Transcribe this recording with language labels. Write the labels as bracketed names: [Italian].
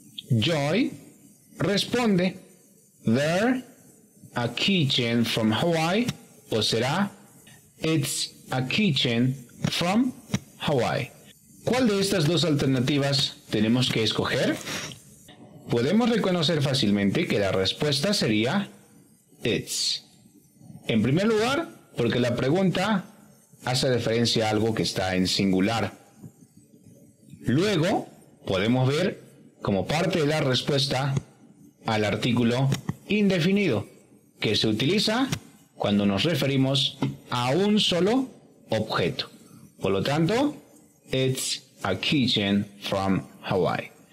[English] Joy responde, there, a kitchen from Hawaii, [Spanish] o será, [English] it's a kitchen from Hawaii. [Spanish] ¿Cuál de estas dos alternativas tenemos que escoger? Podemos reconocer fácilmente que la respuesta sería it's. En primer lugar, porque la pregunta hace referencia a algo que está en singular. Luego, podemos ver como parte de la respuesta al artículo indefinido, que se utiliza cuando nos referimos a un solo objeto. Por lo tanto, [English] it's a kitchen from Hawaii.